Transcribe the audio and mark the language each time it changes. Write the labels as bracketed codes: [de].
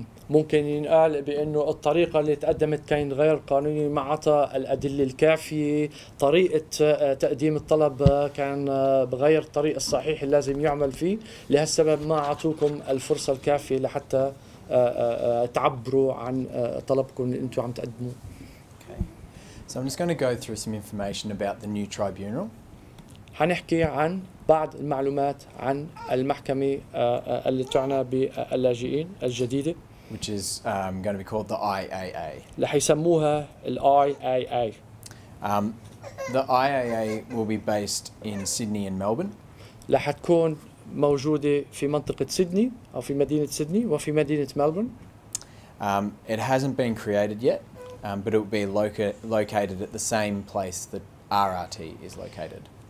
[ar] ممكن ينقال بأنه الطريقة اللي تقدمت كان غير قانونية ما عطى الأدلة الكافية طريقة تقديم الطلب كان بغير الطريق الصحيح اللي لازم يعمل فيه لهالسبب ما عطوكم الفرصة الكافية لحتى تعبروا عن طلبكم اللي انتم عم تقدموا. Okay. [en] So I'm just going to go through some information about the new tribunal. [ar] حنحكي عن بعض المعلومات عن المحكمة اللي تعنى باللاجئين الجديدة. [en] Which is going to be called the IAA. [ar] اللي حيسموها ال IAA. [en] The IAA will be based in Sydney and Melbourne. [ar] اللي حتكون موجودة في منطقة سيدني أو في مدينة سيدني وفي مدينة ملبورن. [en] It hasn't been created yet, but it will be located at the same place that RRT is located.